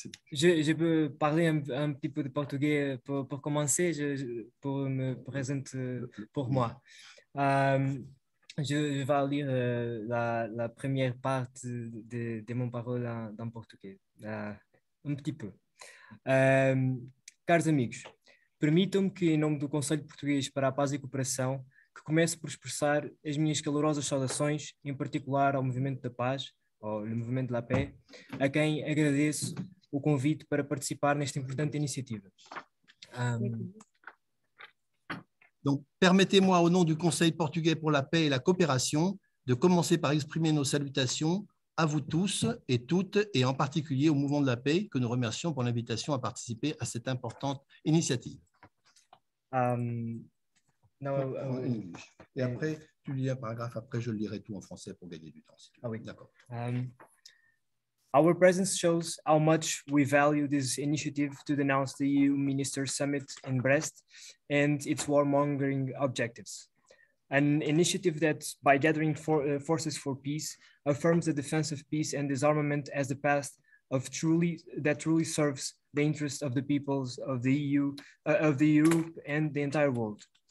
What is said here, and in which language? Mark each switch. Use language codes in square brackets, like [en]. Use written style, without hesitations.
[fr] Je peux parler un petit peu de portugais pour commencer, pour me présenter pour moi. Je vais lire la première partie de mon parole en portugais, un petit peu. [pt] Caros amigos, permitam-me que, em nome do Conselho Português para a Paz e Cooperação, que começo por expressar as minhas calorosas saudações, em particular ao Movimento da Paz, ou ao Movimento da Paix, a quem agradeço o convite para participar nesta importante iniciativa. [fr] Donc, permettez-moi, au nom du Conseil portugais pour la paix et la coopération, de commencer par exprimer nos salutations à vous tous et toutes, et en particulier au Mouvement de la Paix, que nous remercions pour l'invitation à participer à cette importante initiative. Et après, tu lis un paragraphe, après je lirai tout en français pour gagner du temps. Ah oui, d'accord. [en] Our presence shows how much we value this initiative to denounce the EU Ministers Summit in Brest and its warmongering objectives. An initiative that, by gathering forces for peace, affirms the defense of peace and disarmament as the path of truly serves the interests of the peoples of the EU, of the Europe and the entire world.